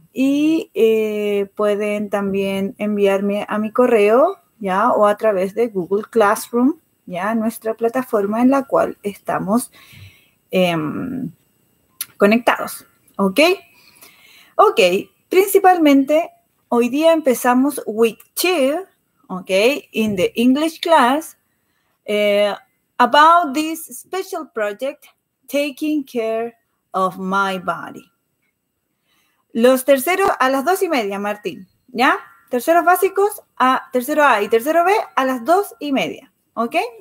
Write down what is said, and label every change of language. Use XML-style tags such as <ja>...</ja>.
<es>Y pueden también enviarme a mi correo, ¿ya? O a través de Google Classroom, ¿ya? Nuestra plataforma en la cual estamos conectados, ¿ok? Ok, principalmente... Hoy día empezamos</es> <en>week 2, okay, in the English class, about this special project, taking care of my body.</en> <es>Los terceros a las 2:30, Martín, ¿ya? Terceros básicos, a tercero A y tercero B a las 2:30, ¿ok?</es>